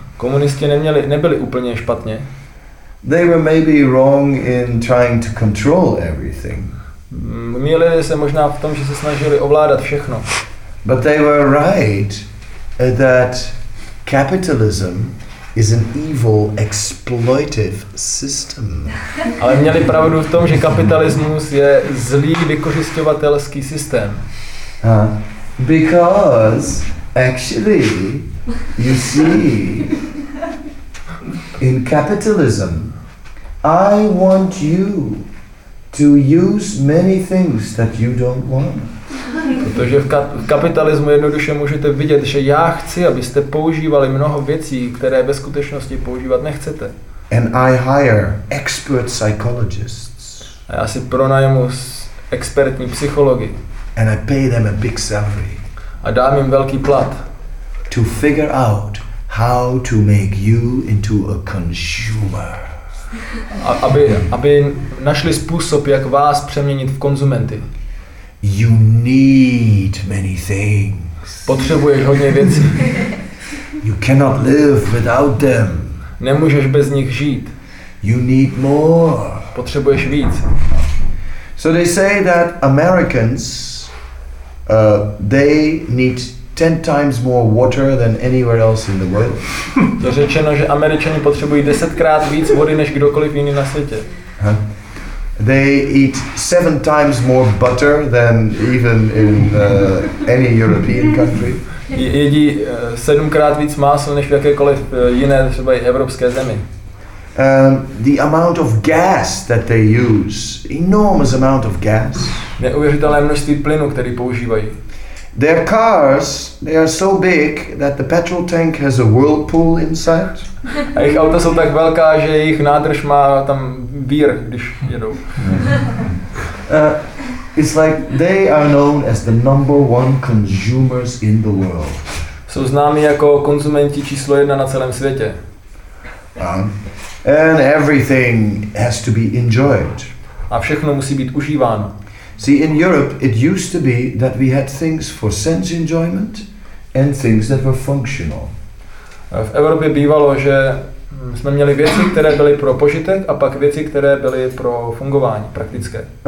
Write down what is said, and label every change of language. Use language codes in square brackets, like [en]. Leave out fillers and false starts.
[cs] Komunisti nebyli úplně špatně. [en] They were maybe wrong in trying to control everything. [cs] Měli se možná v tom, že se snažili ovládat všechno. [en] But they were right that capitalism is an evil exploitative system. [cs] Ale měli pravdu v tom, že kapitalismus je zlý vykořisťovatelský systém. [en] Because actually you see in capitalism I want you to use many things that you don't want. [cs] Protože v kapitalismu jednoduše můžete vidět, že já chci, abyste používali mnoho věcí, které ve skutečnosti používat nechcete. [en] And I hire expert psychologists. [cs] A já si pronajmu expertní psychologi. [en] And I pay them a big salary. [cs] A dám jim velký plat. [en] To figure out how to make you into a consumer. [cs] Aby našli způsob, jak vás přeměnit v konzumenty. [en] You need many things. [cs] Potřebuješ hodně věcí. [en] You cannot live without them. [cs] Nemůžeš bez nich žít. [en] You need more. [cs] Potřebuješ víc. [en] So they say that Americans they need 10 times more water than anywhere else in the world. [cs] To řečeno, že Američani potřebují 10x víc vody než kdokoliv jiný na světě. [en] They eat 7 times more butter than even in any European country. [cs] Jedí 7x víc másla než v jakékoliv jiné třeba evropské zemi. [en] The amount of gas that they use, enormous amount of gas. [cs] Neuvěřitelné množství plynu, který používají. [en] Their cars, they are so big that the petrol tank has a whirlpool inside. [cs] A jejich auta jsou tak velká, že jejich nádrž má tam vír, když jedou. [en] It's like they are known as the number one consumers in the world. [cs] Jsou známi jako konzumenti číslo jedna na celém světě. [en] And everything has to be enjoyed. [cs] A všechno musí být užíváno. [en] See, in Europe, it used to be that we had things for sense enjoyment and things that were functional. [cs] V Evropě bývalo, že jsme měli věci, které byly pro požitek, a pak věci, které byly pro fungování, praktické.